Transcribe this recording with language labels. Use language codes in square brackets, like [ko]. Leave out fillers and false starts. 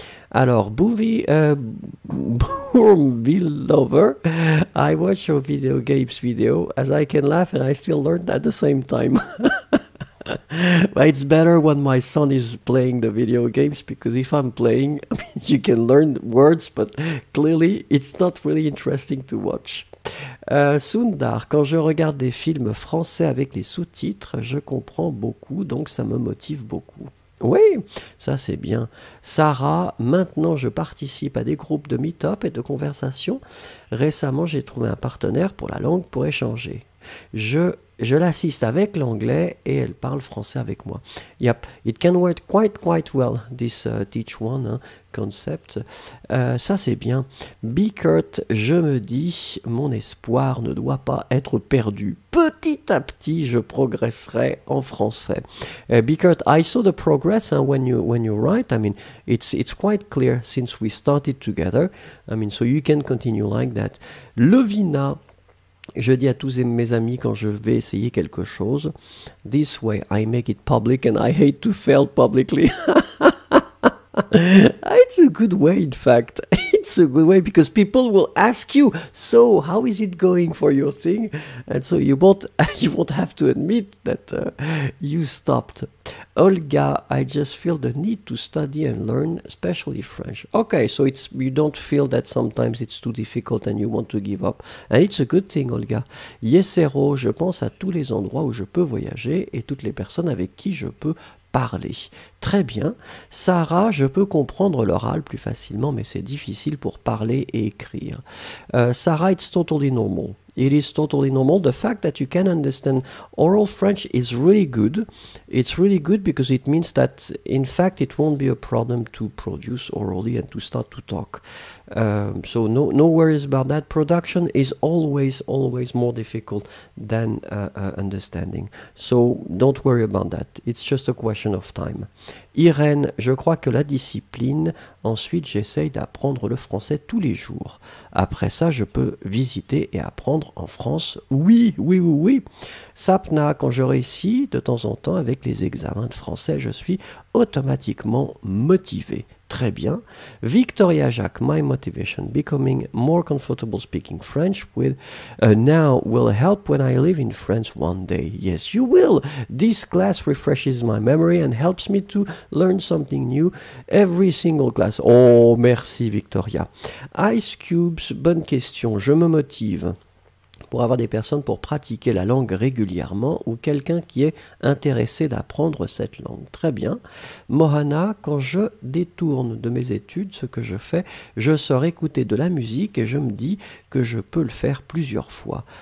[en] Alors, Boomville Lover, I watch your video games video as I can laugh and I still learn at the same time. But it's better when my son is playing the video games, because if I'm playing, I mean, you can learn words, but clearly it's not really interesting to watch. [fr] Sundar, quand je regarde des films français avec les sous-titres, je comprends beaucoup, donc ça me motive beaucoup. Oui, ça c'est bien. Sarah, maintenant je participe à des groupes de meet-up et de conversations. Récemment, j'ai trouvé un partenaire pour la langue pour échanger. Je je l'assiste avec l'anglais et elle parle français avec moi. [en] Yep, it can work quite well, this teach one hein, concept. [fr] Ça, c'est bien. Be curt, je me dis, mon espoir ne doit pas être perdu. Petit à petit, je progresserai en français. [en] Be curt, I saw the progress hein, when you write. I mean, it's quite clear since we started together. I mean, so you can continue like that. [fr] Levina. Je dis à tous mes amis quand je vais essayer quelque chose, [en] this way I make it public and I hate to fail publicly. It's a good way, in fact. It's a good way because people will ask you, so how is it going for your thing? And so you won't have to admit that you stopped. Olga, I just feel the need to study and learn, especially French. Okay, so you don't feel that sometimes it's too difficult and you want to give up. And it's a good thing, Olga. [fr] Yesero, je pense à tous les endroits où je peux voyager et toutes les personnes avec qui je peux parler. Très bien. Sarah, je peux comprendre l'oral plus facilement, mais c'est difficile pour parler et écrire. [en] Sarah, it's totally normal. It is totally normal. The fact that you can understand oral French is really good. It's really good because it means that, in fact, it won't be a problem to produce orally and to start to talk. So no worries about that. Production is always more difficult than understanding. So don't worry about that. It's just a question of time. [fr] Irène, je crois que la discipline. Ensuite, j'essaye d'apprendre le français tous les jours. Après ça, je peux visiter et apprendre en France. Oui. Sapna, quand je réussis de temps en temps avec les examens de français, je suis automatiquement motivé. Très bien. [en] Victoria Jacques, my motivation becoming more comfortable speaking French with now will help when I live in France one day. Yes, you will. This class refreshes my memory and helps me to learn something new every single class. [fr] Oh, merci Victoria. Ice Cubes, bonne question. Je me motive pour avoir des personnes pour pratiquer la langue régulièrement ou quelqu'un qui est intéressé d'apprendre cette langue. Très bien. Mohana, quand je détourne de mes études ce que je fais, je sors écouter de la musique et je me dis que je peux le faire plusieurs fois.